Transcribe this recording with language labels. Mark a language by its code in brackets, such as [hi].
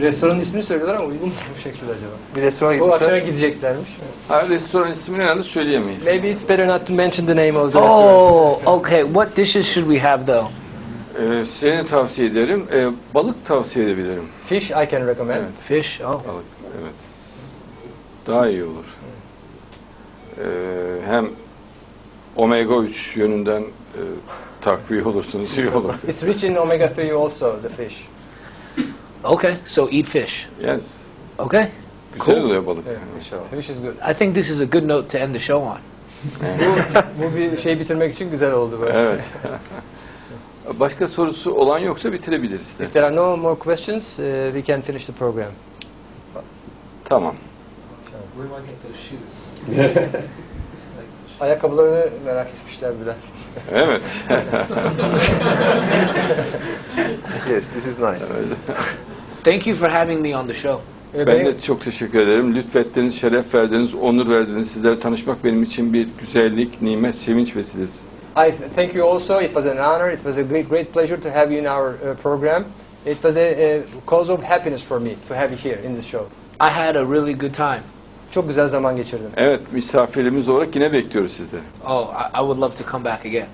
[tr] Restoranın ismini söylüyorlar ama uygun mu bu şekilde acaba? Bir restoran gidiyorlar. Bu akşama gideceklermiş. Hayır, restoran ismini herhalde söyleyemeyiz. [en] Maybe it's better not to mention the name of the restaurant. Oh, okay. What dishes should we have, though? [tr] Size ne tavsiye ederim? Balık tavsiye edebilirim. [en] Fish, I can recommend. [tr] Evet. [en] Fish, oh. [tr] Balık, evet. Daha iyi olur. Hem omega 3 yönünden takviye olursunuz, iyi olur. [en] It's rich in omega 3 also, the fish. Okay, so eat fish. Yes. Okay. [tr] Güzel cool. Oluyor balık. [en] Yeah, fish is good. I think this is a good note to end the show on. [tr] Bu bir şey bitirmek için güzel oldu. Böyle. Evet. Başka sorusu olan yoksa bitirebiliriz. [en] If there are no more questions, we can finish the program. [tr] Tamam. [en] Where do I get those shoes? [tr] Ayakkabılarını merak etmişler bile. Evet. [en] Yes, this is nice. Thank you for having me on the show. [tr] Ben de çok teşekkür ederim. Lütfettiniz, şeref verdiniz, onur verdiniz. Sizlerle tanışmak benim için bir güzellik, nimet, sevinç vesilesi. [en] I thank you also. It was an honor. It was a great pleasure to have you in our program. It was a cause of happiness for me to have you here in the show. I had a really good time. [tr] Çok güzel zaman geçirdim. Evet, misafirimiz olarak yine bekliyoruz sizi. [en] Oh, I would love to come back again.